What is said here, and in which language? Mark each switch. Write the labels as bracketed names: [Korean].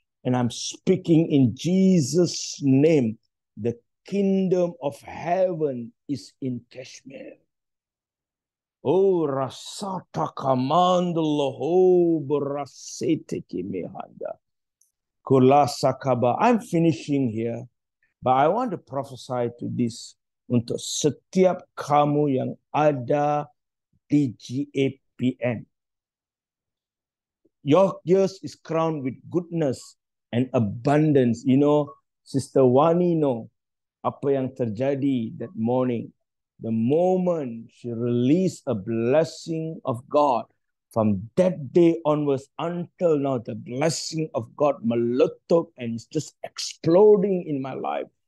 [English] And I'm speaking in Jesus' name. The kingdom of heaven is in Kashmir. Oh, Rasata Kamandala Hob Rasete Kimehanda. Kulasakaba. I'm finishing here, but I want to prophesy to this. [Malay] Untuk setiap kamu yang ada di GAPM. [English] Your years is crowned with goodness and abundance. You know, Sister Wani know [Malay] apa yang terjadi [English] that morning. The moment she released a blessing of God, from that day onwards until now, the blessing of God [Malay] meletup [English] and it's just exploding in my life.